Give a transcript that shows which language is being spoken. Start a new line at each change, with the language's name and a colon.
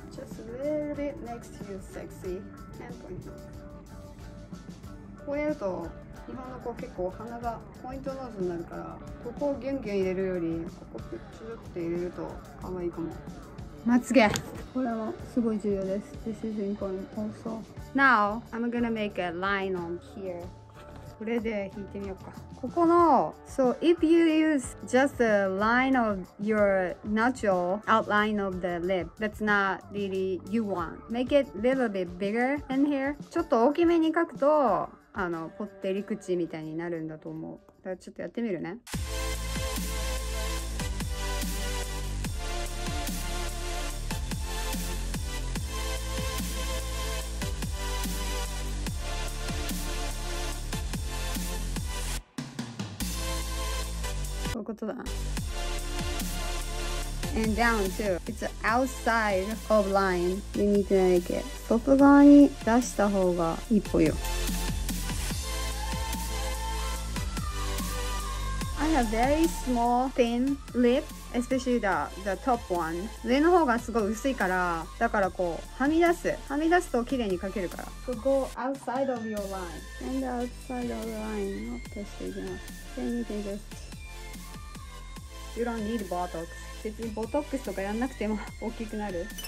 English: Just a little bit next to you, sexy. Ten point.
Japanese: こうやると日本の子結構鼻がポイントノーズになるから、ここをギュンギュン入れるよりここをちょっと入れると可愛いかも。まつげ。これもすごい重要です。
English: This is important also. Now, I'm gonna make a line on here.
Japanese: これで引いてみようか。ここの、
English: So if you use just a line of your natural outline of the lip, that's not really you want. Make it a little bit bigger in here.
Japanese: ちょっと大きめに描くと、あの、ぽってり口みたいになるんだと思う。だからちょっとやってみるね。
English: And down too. It's outside of line. You need to make it.
Japanese: 外側に出した方がいいぽよ。
English: I have very small thin lip, especially the top one.
Japanese: 上の方がすごい薄いから、だからこうはみ出す。はみ出すと綺麗に描けるから。
English: So go outside of your line. And outside of line
Japanese: を消していきます。
English: Then you can just. You don't need botox.
Japanese: 別にボトックスとかやんなくても大きくなる。